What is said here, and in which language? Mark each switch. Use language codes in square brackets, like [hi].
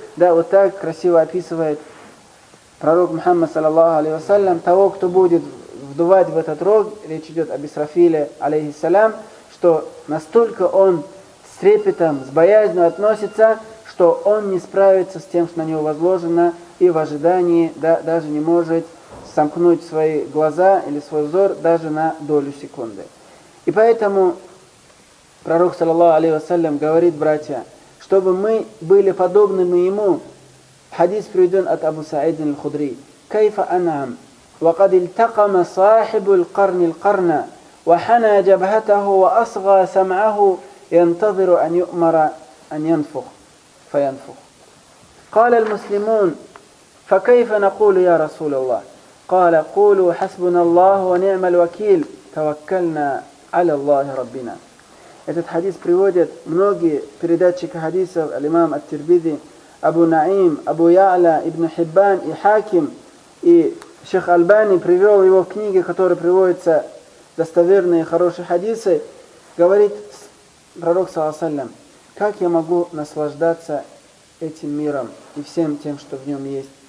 [ru] Да, вот так красиво описывает пророк Мухаммад, саллаллаху алейхи ва саллям, того, кто будет вдувать в этот рог, речь идет об Исрафиле, алейхиссалям, что настолько он с трепетом, с боязнью относится, что он не справится с тем, что на него возложено, и в ожидании, да, даже не может сомкнуть свои глаза или свой взор даже на долю секунды. И поэтому пророк, саллаллаху алейхи ва саллям, говорит, братья, чтобы мы были подобными ему, хадис приведен от Абу Саидин Аль-Худри. [ar] «Кайфа анам». وقد التقم صاحب القرن القرن وحنى جبهته وأصغى سمعه ينتظر أن يؤمر أن ينفخ فينفخ قال المسلمون فكيف نقول يا رسول الله قال قولوا حسبنا الله ونعم الوكيل توكلنا على الله ربنا. [ru] Этот хадис приводят многие передатчики хадисов, имам ат-Тирмизи, Абу Наим, Абу Яъла, Ибн Хиббан и Хаким, и Шейх Аль-Бани привел его в книге, в которой приводятся достоверные и хорошие хадисы. Говорит пророк, саллаллаху алейхи ва саллям, как я могу наслаждаться этим миром и всем тем, что в нем есть.